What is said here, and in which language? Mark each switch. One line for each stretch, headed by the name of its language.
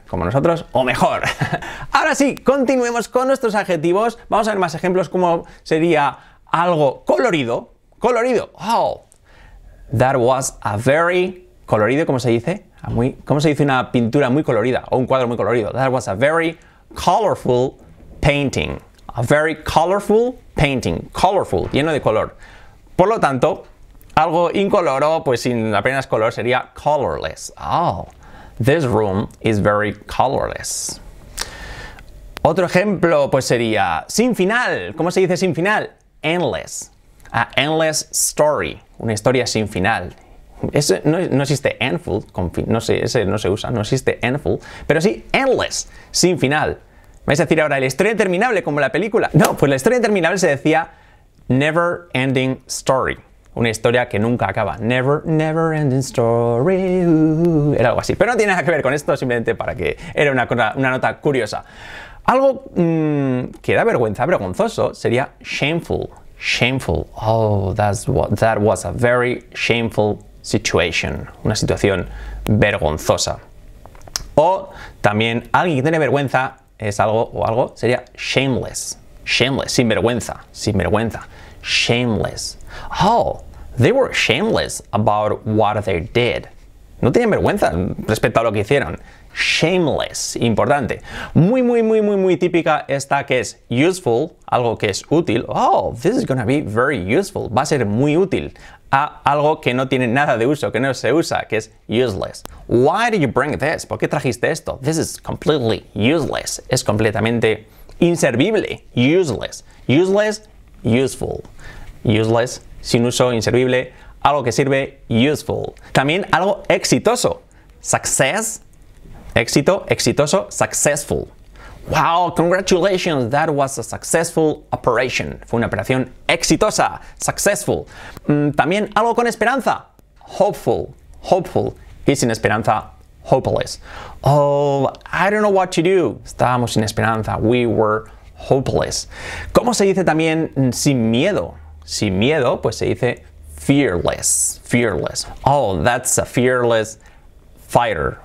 Spanish: Como nosotros, o mejor. Ahora sí, continuemos con nuestros adjetivos. Vamos a ver más ejemplos, como sería algo colorido. Colorido.
English: Oh, that was a very...
Spanish: ¿Colorido cómo se dice? ¿Cómo se dice una pintura muy colorida? O un cuadro muy colorido.
English: That was a very colorful painting. A very colorful painting, colorful,
Spanish: lleno de color. Por lo tanto, algo incoloro, pues sin apenas color, sería colorless.
English: Oh, this room is very colorless.
Spanish: Otro ejemplo, pues sería sin final. ¿Cómo se dice sin final? Endless.
English: Endless story,
Spanish: una historia sin final. Ese no existe endful, no sé, ese no se usa, no existe endful, pero sí endless, sin final. ¿Vais a decir ahora la historia interminable como la película? No, pues la historia interminable se decía
English: never ending story.
Spanish: Una historia que nunca acaba.
English: Never, never ending story.
Spanish: Era algo así. Pero no tiene nada que ver con esto, simplemente para que era una nota curiosa. Algo que da vergüenza, vergonzoso, sería shameful. Shameful.
English: Oh, that was a very shameful situation.
Spanish: Una situación vergonzosa. O también alguien que tiene vergüenza. Es algo o algo, sería shameless. Shameless, sin vergüenza, sin vergüenza. Shameless.
English: Oh, they were shameless about what they did.
Spanish: No tienen vergüenza respecto a lo que hicieron. Shameless, importante. Muy, muy, muy, muy, muy típica esta, que es useful, algo que es útil.
English: Oh, this is gonna be very useful.
Spanish: Va a ser muy útil a algo que no tiene nada de uso, que no se usa, que es useless.
English: Why did you bring this?
Spanish: ¿Por qué trajiste esto?
English: This is completely useless.
Spanish: Es completamente inservible. Useless. Useless, useful. Useless, sin uso, inservible. Algo que sirve, useful. También algo exitoso. Success.
English: Éxito, exitoso, successful. Wow, congratulations, that was a successful operation.
Spanish: Fue una operación exitosa, successful. También algo con esperanza, hopeful, hopeful. Y sin esperanza,
English: hopeless. Oh, I don't know what to do.
Spanish: Estábamos sin esperanza,
English: we were hopeless.
Spanish: ¿Cómo se dice también sin miedo? Sin miedo, pues se dice fearless, fearless.
English: Oh, that's a fearless fighter.